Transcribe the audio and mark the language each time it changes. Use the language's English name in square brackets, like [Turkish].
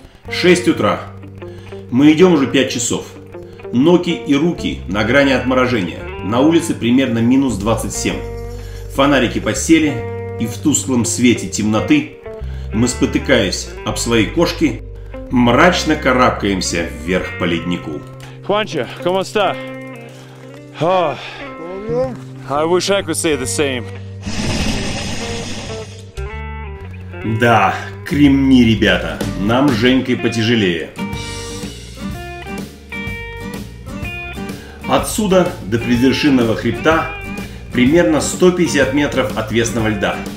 [Russian] 6 утра. Мы идем уже 5 часов. Ноги и руки на грани отморожения. На улице примерно минус 27. Фонарики подсели, и в тусклом свете темноты мы, спотыкаясь об своей кошке, мрачно карабкаемся вверх по леднику. [English] Хванчо, [Spanish] como está? [English] I wish I could say the same. [Russian] Да, кремни, ребята, нам с Женькой потяжелее. Отсюда до предвершинного хребта примерно 150 метров отвесного льда.